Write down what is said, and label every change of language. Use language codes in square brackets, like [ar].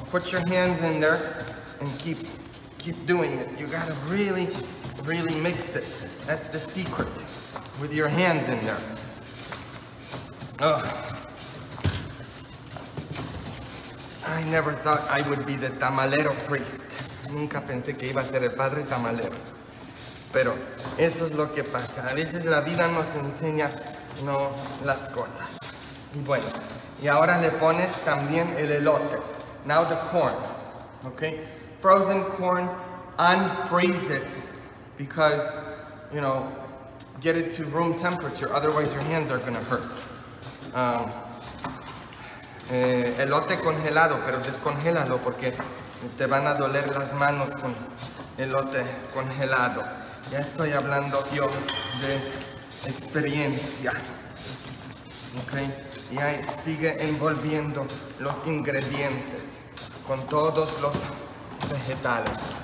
[en] Put your hands in there and keep doing it. You gotta really, really mix it. That's the secret, with your hands in there. Ugh. I never thought I would be the tamalero priest. [es] Nunca pensé que iba a ser el padre tamalero. Pero eso es lo que pasa. A veces la vida nos enseña, ¿no?, las cosas. Y bueno. Y ahora le pones también el elote. [en] Now the corn, okay? Frozen corn, unfreeze it because, you know, get it to room temperature, otherwise your hands are gonna hurt. [es] Elote congelado, pero descongélalo porque te van a doler las manos con elote congelado. Ya estoy hablando yo de experiencia, okay? Y ahí sigue envolviendo los ingredientes con todos los vegetales.